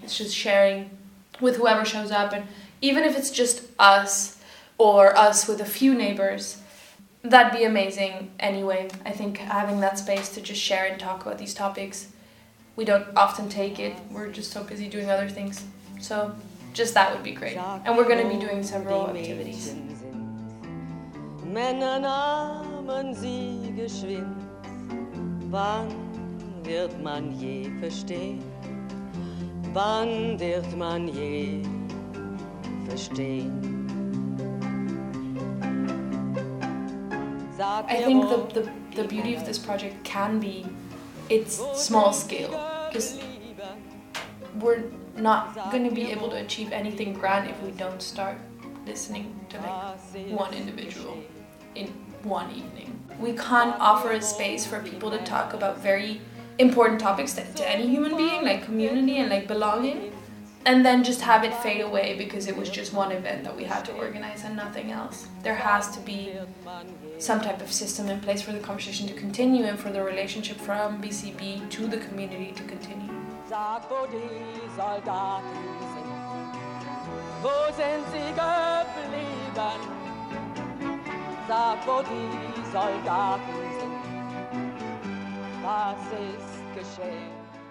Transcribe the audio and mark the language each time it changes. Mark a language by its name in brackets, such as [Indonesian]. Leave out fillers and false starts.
[English] It's just sharing with whoever shows up, and even if it's just us or us with a few neighbors, that'd be amazing anyway. I think having that space to just share and talk about these topics, we don't often take it. We're just so busy doing other things. So just that would be great. And we're going to be doing several activities. [German] Männer nahmen sie geschwind, wann wird man je verstehen, wann wird man je verstehen. [English] I think the beauty of this project can be its small scale, because we're not going to be able to achieve anything grand if we don't start listening to like one individual in one evening. We can't offer a space for people to talk about very important topics to any human being, like community and like belonging, and then just have it fade away because it was just one event that we had to organize and nothing else. There has to be some type of system in place for the conversation to continue and for the relationship from BCB to the community to continue. [German] Sag, wo die Soldaten sind, wo sind sie geblieben? Sag, wo die Soldaten sind, was ist geschehen?